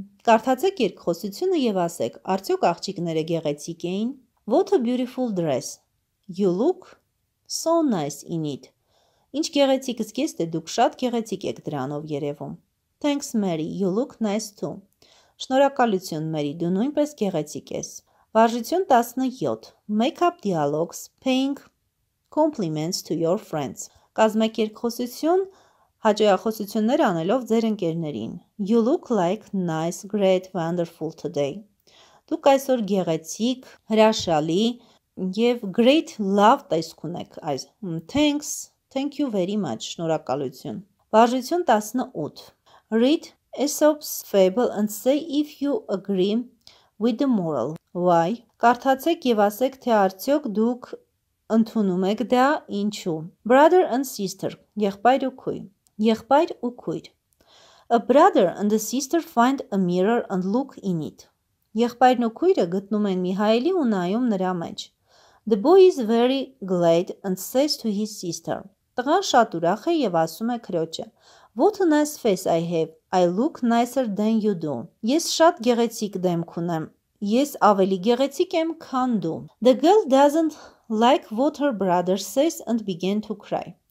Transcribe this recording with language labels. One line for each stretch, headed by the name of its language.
Armenian: Կարդացեք երկխոսությունը եւ ասեք, արդյոք աղջիկները գեղեցիկ էին։
English: What a beautiful dress. You look so nice in it.
Armenian: Ինչ գեղեցիկ զգեստ է, դուք շատ գեղեցիկ եք դրանով երևում։
English: Thanks, Mary. You look nice too.
Armenian: Շնորհակալություն, Mary. Դու նույնպես գեղեցիկ ես։ Վարժություն 17.
English: Make-up dialogues paying compliments to your friends.
Armenian: Կազմակերպություն հաջողախոսություններ անելով ձեր ընկերներին.
English: You look like nice, great, wonderful today.
Armenian: Դուք այսօր գեղեցիկ, հրաշալի եւ
English: great love
Armenian: տեսք ունեք այս.
English: Thanks. Thank you very much.
Armenian: Շնորհակալություն. Վարժություն 18.
English: Read Aesop's fable and say if you agree with the moral. Why?
Armenian: Կարդացեք եւ ասեք, թե արդյոք դուք ընդունում եք դա, ինչու։
English: Brother and sister.
Armenian: Եղբայր ու քույր. Եղբայր ու քույր.
English: A brother and a sister find a mirror and look in it.
Armenian: Եղբայրն ու քույրը գտնում են մի հայելի ու նայում նրա մեջ։
English: The boy is very glad and says to his sister.
Armenian: Տղան շատ ուրախ է եւ ասում է քրոջը.
English: What a nice face I have. I look nicer than you do.
Armenian: Ես շատ գեղեցիկ դեմք ունեմ։ Ես ավելի գեղեցիկ եմ, քան դու։
English: The girl doesn't like what her brother says and began to cry.